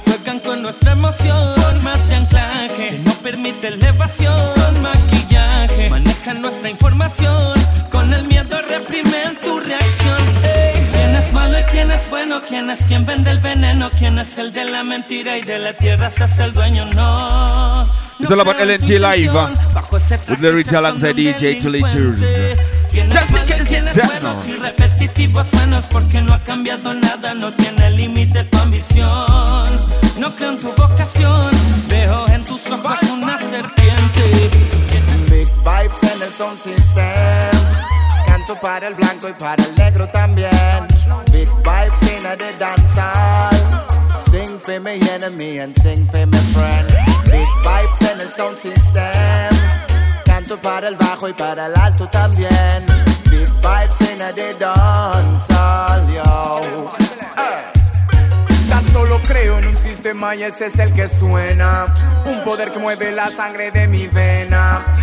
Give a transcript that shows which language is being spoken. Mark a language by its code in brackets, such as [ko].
[es] Juegan con nuestra emoción, forma de anclaje, que no permite elevación, maquillaje. Manejan nuestra información, con el miedo reprimen tu reacción. Hey. ¿Quién es malo y quién es bueno? ¿Quién es quien vende el veneno? ¿Quién es el de la mentira y de la tierra se hace el dueño? No. [en] It's all about LNG Live with the rich alongside DJ Tulitures. Just in case it's [es] bueno, si repetitivos buenos, porque no ha cambiado nada, no tiene límite tu ambición. No creo en tu vocación, veo en tus ojos una serpiente. [en] Big vibes [es] en el [en] sound system. [es] Canto para el blanco y para el negro también. [en] Big vibes [es] en el de danzar. [en] Sing for my enemy and sing for my friend. Big vibes [es] en el [en] sound system. [es] Canto para el bajo y para el alto también. [en] Big vibes [es] en el de dancehall, yo. Tan solo creo en un sistema y ese es el que suena. Un poder que mueve la sangre de mi vena.